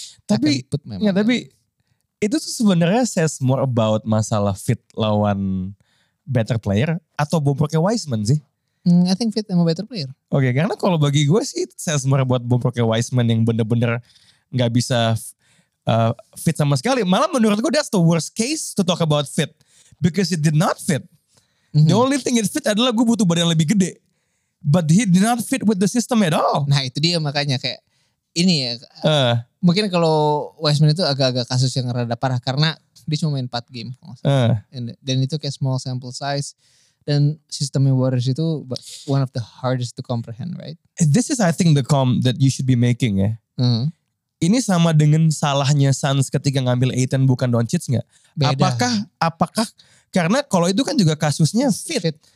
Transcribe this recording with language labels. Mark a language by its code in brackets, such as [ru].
[id] Tapi ya tapi itu tuh sebenarnya [en] says more about [id] masalah fit lawan better player atau bobroknya Wiseman sih. [en] I think fit sama better player. [id] Oke, okay, karena kalau bagi gue sih [en] says more [id] buat bobroknya Wiseman yang bener-bener gak bisa fit sama sekali. Malah menurut gue [en] that's the worst case to talk about fit because it did not fit. The only thing it fit [id] adalah gue butuh badan yang lebih gede. [en] But he did not fit with the system at all. [id] Nah itu dia makanya kayak ini ya. Mungkin kalau Wiseman itu agak-agak kasus yang rada parah karena dia cuma main 4 game. Dan itu kayak small sample size. Dan sistemnya Warriors itu [en] one of the hardest to comprehend, right? This is I think the comp that you should be making ya. [id] Ini sama dengan salahnya Suns ketika ngambil Ayton bukan Doncic gak? Beda. Apakah karena kalau itu kan juga kasusnya fit.